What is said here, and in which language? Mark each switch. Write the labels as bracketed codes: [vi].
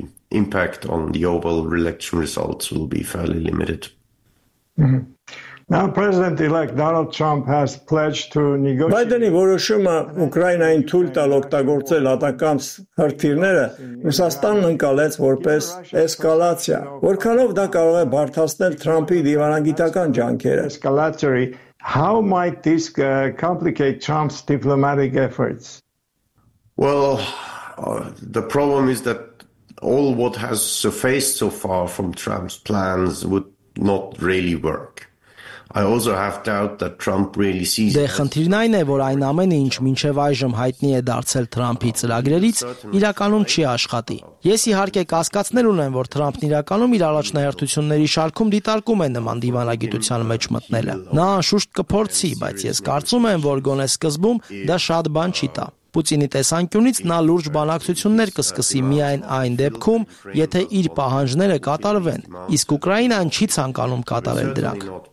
[en] Impact on the overall election results will be fairly limited. Now, President-elect Donald Trump has pledged to negotiate. [hy] Biden-ի որոշումը Ուկրաինային թույլ տալ օգտագործել ատակամ հրթիռները Ռուսաստանն ընկալեց որպես էսկալացիա, որքանով դա կարող է բարձրացնել Թրամփի դիվանագիտական ջանքերը. [en] How might this complicate Trump's diplomatic efforts? Well, the problem is that all what has surfaced so far from Trump's plans would not really work. I also have doubt that Trump really sees [hy] Դե խնդիրն այն է, որ այն ամենը, ինչ մինչև այժմ հայտնի է դարձել Թրամփի ծրագրերից, իրականում չի աշխատի։ Ես իհարկե կասկածներ ունեմ, որ Թրամփն իրականում իր առաջնահերթությունների շարքում դիտարկում է նման դիվանագիտության մեջ մտնելը։ Նա անշուշտ կփորձի, բայց ես կարծում եմ, որ գոնե սկզբում դա շատ բան չի տա։ Պուտինի տեսանկյունից նա լուրջ բանակցություններ կսկսի միայն այն դեպքում, եթե իր պահանջները կատարվեն, իսկ Ուկրաինան չի ցանկանում կատարել դրանք։